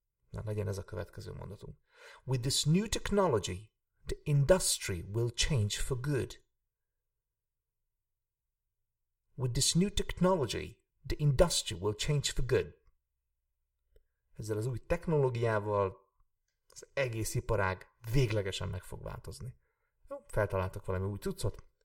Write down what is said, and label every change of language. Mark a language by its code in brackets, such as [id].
[hu] Na, legyen ez a következő mondatunk. [en] With this new technology, the industry will change for good. With this new technology, the industry will change for good. [hu] Ezzel az új technológiával az egész iparág véglegesen meg fog változni. Jó, feltaláltak valami új cuccot.